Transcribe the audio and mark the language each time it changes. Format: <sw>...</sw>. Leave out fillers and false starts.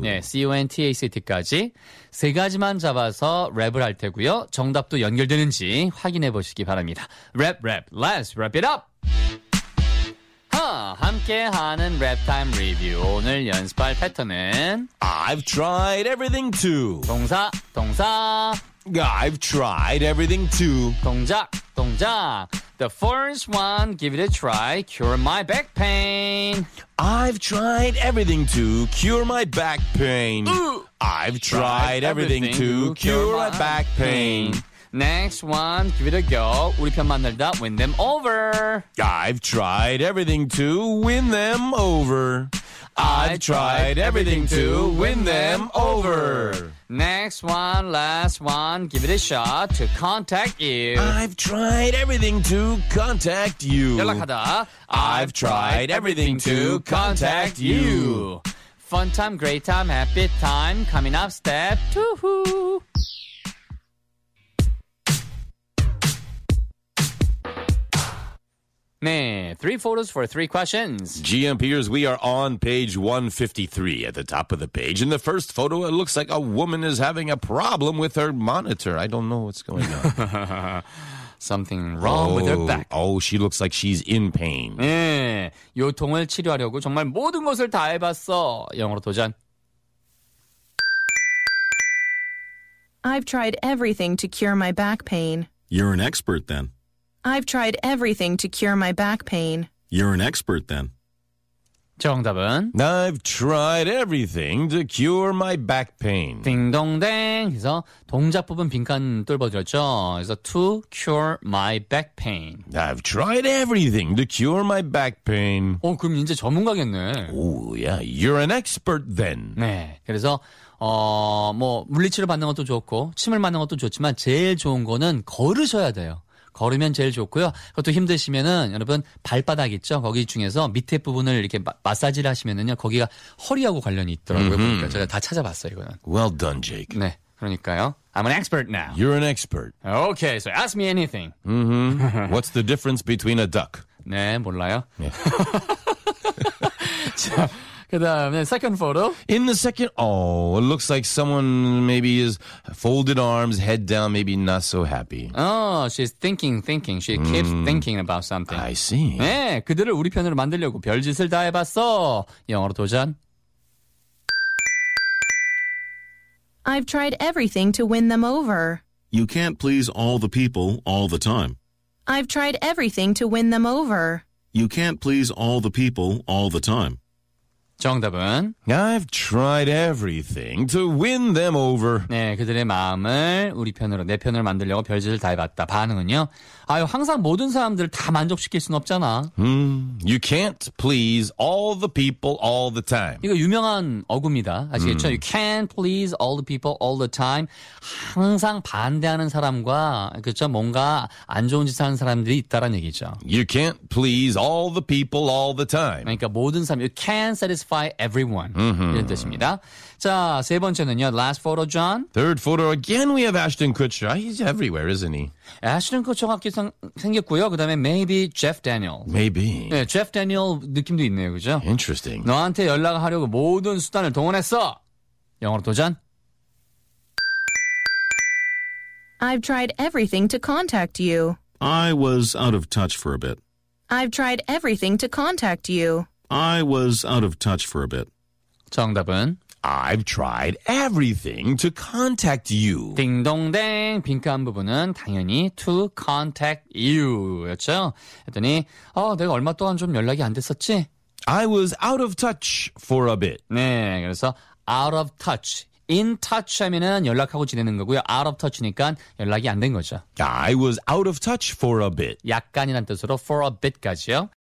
<ko>네, C-O-N-T-A-C-T까지. 세 가지만 잡아서 랩을 할 테고요. 정답도 연결되는지 확인해 보시기 바랍니다.</ko> <en>Rap, rap. Let's wrap it up.</en> <ko>함께하는 랩타임 리뷰. 오늘 연습할 패턴은</ko> <en>I've tried everything to</en> <ko>동사, 동사</ko> <en>I've tried everything to</en> <ko>동작, 동작</ko> <en>The first one, give it a try, cure my back pain I've tried everything to cure my back pain I've tried everything to cure my back pain Next one, give it a go.</en> <ko>우리 편 만들다,</ko> <en>win them over. I've tried everything to win them over. I've tried everything to win them over. Next one, last one, give it a shot to contact you. I've tried everything to contact you.</en> <ko>연락하다.</ko> <en>I've tried everything to contact you. Fun time, great time, happy time. Coming up, step two. Three photos for three questions. GMPers, we are on page 153 at the top of the page. In the first photo, it looks like a woman is having a problem with her monitor. I don't know what's going on. Something wrong with her back. Oh, she looks like she's in pain.</en> <ko>네, 요통을 치료하려고 정말 모든 것을 다 해봤어. 영어로 도전.</ko> <en>I've tried everything to cure my back pain. You're an expert then. I've tried everything to cure my back pain. You're an expert then.</en> <ko>정답은?</ko> <en>I've tried everything to cure my back pain.</en> <ko>딩동댕. 그래서 동작 부분 빈칸 뚫어버렸죠. 그래서</ko> <en>to cure my back pain. I've tried everything to cure my back pain.</en> <ko>어, 그럼 이제 전문가겠네.</ko> <en>Oh, yeah. You're an expert then.</en> <ko>네. 그래서 뭐 물리치료 받는 것도 좋고 침을 맞는 것도 좋지만 제일 좋은 거는 걸으셔야 돼요. 걸으면 제일 좋고요. 그것도 힘드시면은 여러분 발바닥 있죠. 거기 중에서 밑에 부분을 이렇게 마사지를 하시면은요. 거기가 허리하고 관련이 있더라고요. 그러니까 제가 다 찾아봤어요. 이거는.</ko> <en>Well done, Jake.</en> <ko>네, 그러니까요.</ko> <en>I'm an expert now. You're an expert. Okay, so ask me anything. Mm-hmm. What's the difference between a duck?</en> <ko>네, 몰라요.</ko> <en>Yeah.</en> <ko>자, 그 다음에</ko> <en>second photo. In the second, oh, it looks like someone maybe is folded arms, head down, maybe not so happy. Oh, she's thinking. She keeps thinking about something. I see.</en> <ko>네, 그들을 우리 편으로 만들려고 별짓을 다 해봤어. 영어로 도전.</ko> <en>I've tried everything to win them over. You can't please all the people all the time. I've tried everything to win them over. You can't please all the people all the time.</en> <ko>정답은?</ko> <en>I've tried everything to win them over.</en> <ko>네, 그들의 마음을 우리 편으로, 내 편을 만들려고 별짓을 다 해봤다. 반응은요? 아유, 항상 모든 사람들을 다 만족시킬 순 없잖아.</ko> <en>You can't please all the people all the time.</en> <ko>이거 유명한 어구입니다. 아시겠죠?</ko> <en>You can't please all the people all the time.</en> <ko>항상 반대하는 사람과, 그렇죠? 뭔가 안 좋은 짓 하는 사람들이 있다라는 얘기죠.</ko> <en>You can't please all the people all the time.</en> <ko>그러니까 모든 사람,</ko> <en>you can't satisfy everyone. Mm-hmm.</en> <ko>이런 뜻입니다. 자, 세 번째는요.</ko> <en>Last photo, John. Third photo. Again, we have Ashton Kutcher. He's everywhere, isn't he?</en> <ko>Ashton Kutcher가 생겼고요. 그 다음에 maybe Jeff Daniel.</ko> <en>Maybe.</en> <ko>네, Jeff Daniel 느낌도 있네요. 그죠?</ko> <en>Interesting.</en> <ko>너한테 연락을 하려고 모든 수단을 동원했어. 영어로 도전.</ko> <en>I've tried everything to contact you. I was out of touch for a bit. I've tried everything to contact you. I was out of touch for a bit.</en> <ko>정답은?</ko> <en>I've tried everything to contact you.</en> <ko>딩동댕 빈칸 부분은 당연히</ko> <en>to contact you</en> <ko>였죠. 했더니 내가 얼마 동안 좀 연락이 안 됐었지?</ko> <en>I was out of touch for a bit.</en> <ko>네, 그래서 out of touch. In touch 하면은 연락하고 지내는 거고요. Out of touch니까 연락이 안 된 거죠.</ko> <en>I was out of touch for a bit.</en> <ko>약간이란 뜻으로</ko> <en>for a bit</en> <ko>까지요.</ko>